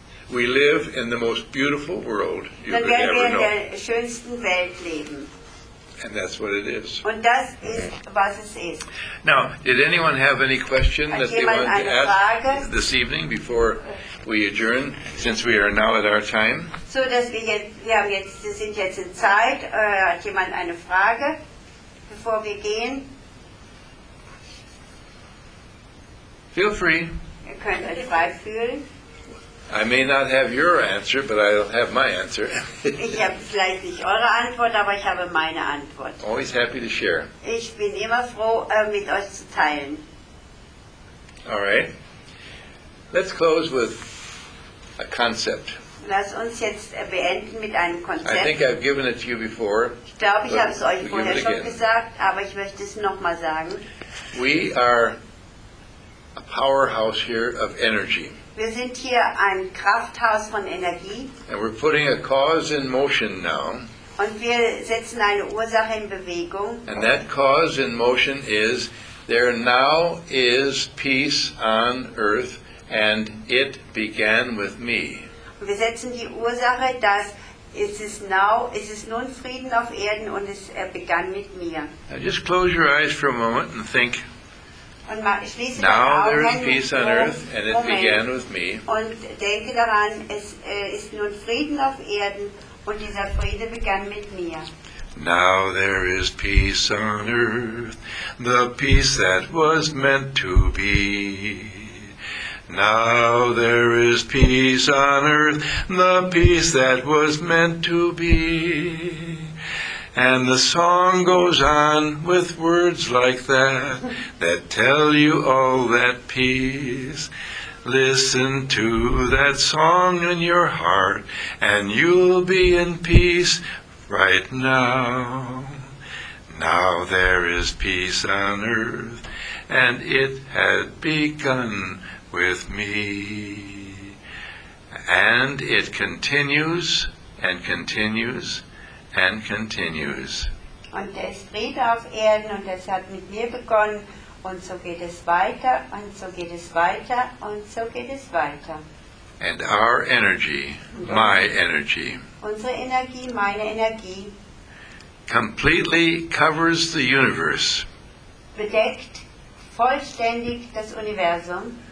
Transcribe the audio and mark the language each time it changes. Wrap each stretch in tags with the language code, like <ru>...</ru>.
<en>we live in the most beautiful world you could ever know.</en> <de>Dann werden wir in der schönsten Welt leben.</de> <en>And that's what it is.</en> <de>Und das ist, was es ist.</de> <en>Now, did anyone have any question</en> <de>hat</de> <en>that they wanted to ask</en> <de>Frage?</de> <en>This evening before we adjourn, since we are now at our time?</en> <de>So, dass wir jetzt, wir sind jetzt in Zeit. Hat jemand eine Frage, bevor wir gehen?</de> <en>Feel free.</en> <de>Ihr könnt euch frei fühlen.</de> <en>I may not have your answer, but I'll have my answer.</en> <de>Ich habe vielleicht nicht eure Antwort, aber ich habe meine Antwort.</de> <en>Always happy to share.</en> <de>Ich bin immer froh, mit euch zu teilen.</de> <en>All right. Let's close with a concept.</en> <de>Lass uns jetzt beenden mit einem Konzept.</de> <en>I think I've given it to you before.</en> <de>Ich glaube, ich habe es euch vorher schon gesagt, aber ich möchte es nochmal sagen.</de> <en>We are a powerhouse here of energy.</en> <de>Wir sind hier ein Krafthaus von Energie.</de> <en>And we're putting a cause in motion now.</en> <de>Und wir setzen eine Ursache in Bewegung.</de> <en>And that cause in motion is there now is peace on earth and it began with me.</en> <de>Und wir setzen die Ursache, dass es ist now, es ist nun Frieden auf Erden und es begann mit mir.</de> <en>Now just close your eyes for a moment and think.</en> <de>Und</de> <en>now there is peace on earth and it began with me.</en> <de>Und denke daran, es ist nun Frieden auf Erden und dieser Friede begann mit mir.</de> <en>Now there is peace on earth, the peace that was meant to be. Now there is peace on earth, the peace that was meant to be. And the song goes on with words like that, that tell you all that peace. Listen to that song in your heart, and you'll be in peace right now. Now there is peace on earth, and it had begun with me. And it continues and continues. And continues.</en> <de>Und der ist Friede auf Erden und es hat mit mir begonnen und so geht es weiter und so geht es weiter und so geht es weiter.</de> <en>And our energy, my energy,</en> <de>unsere Energie, meine Energie,</de> <en>completely covers the universe,</en> <de>bedeckt vollständig das Universum</de>